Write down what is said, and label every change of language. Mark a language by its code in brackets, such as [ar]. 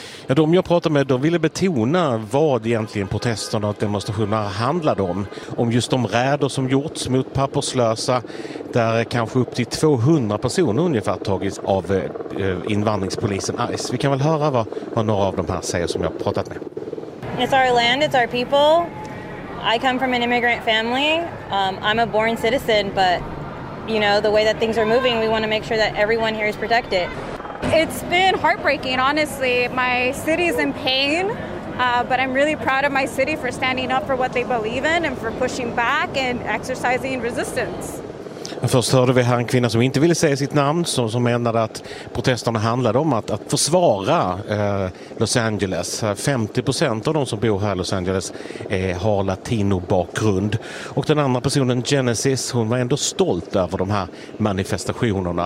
[sv] Ja, de jag pratade med, de ville betona vad egentligen protesterna och demonstrationerna handlade om. Om just de räder som gjorts mot papperslösa, där kanske upp till 200 personer ungefär tagits av invandringspolisen ICE. Vi kan väl höra vad några av de här säger som jag pratat med. [en] It's our land, it's our people. I come from an immigrant family. I'm a born citizen, but you know, the way that things are moving, we want to make sure that everyone here is protected. It's been heartbreaking, honestly. My city's in pain, but I'm really proud of my city for standing up for what they believe in and for pushing back and exercising resistance. [sv] Först hörde vi här en kvinna som inte ville säga sitt namn, som menade att protesterna handlade om att försvara Los Angeles. 50% av de som bor här i Los Angeles har latino-bakgrund. Och den andra personen, Genesis, hon var ändå stolt över de här manifestationerna.